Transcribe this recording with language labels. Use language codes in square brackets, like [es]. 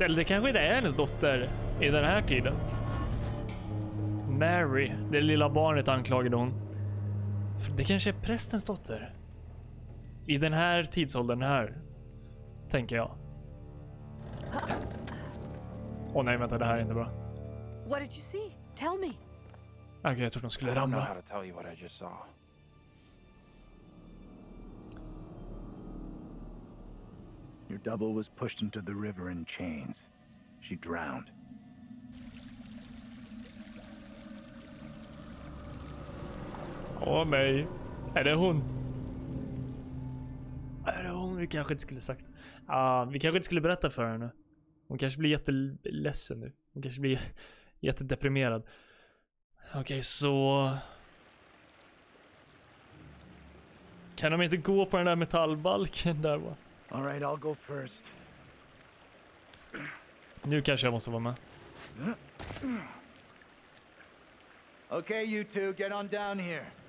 [sv] Eller det kanske inte är hennes dotter i den här tiden. Mary, det lilla barnet, anklagade hon. För det kanske är prästens dotter. I den här tidsåldern här, tänker jag. Åh nej, vänta, det här är inte bra. [en] What did you see? Tell me. [sv] Okej, jag trodde hon skulle ramla. [en] I don't know how to tell you what I just saw. Your double was pushed into the river in chains. She drowned. [sv] Åh, nej. Är det hon? Är det hon? Vi kanske inte skulle sagt. Vi kanske inte skulle berätta för henne. Hon kanske blir jätteledsen nu. Hon kanske blir jättedeprimerad. Okej, så... Kan de inte gå på den där metallbalken där, va? [en] All right, I'll go first. [sv] Nu kanske jag måste vara med. [en] Okay, you two, get on down here.